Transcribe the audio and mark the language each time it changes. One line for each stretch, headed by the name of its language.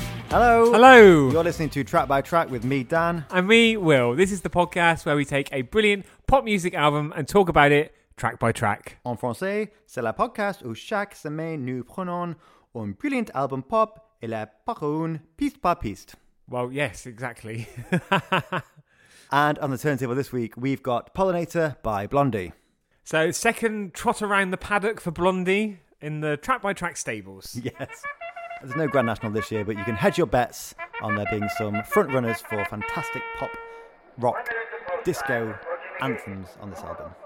English: Hello. Hello. You're listening to Track by Track with me, Dan. And me, Will. This is the podcast where we take a brilliant pop music album and talk about it track by track.
French: En français, c'est le podcast où chaque semaine nous prenons un brilliant album pop et le parcourons piste par piste.
English: Well, yes, exactly. And on the turntable this week, we've got Pollinator by Blondie. So, second trot around the paddock for Blondie in the Track by Track stables. Yes. There's no Grand National this year, but you can hedge your bets on there being some front runners for fantastic pop, rock, disco anthems on this album.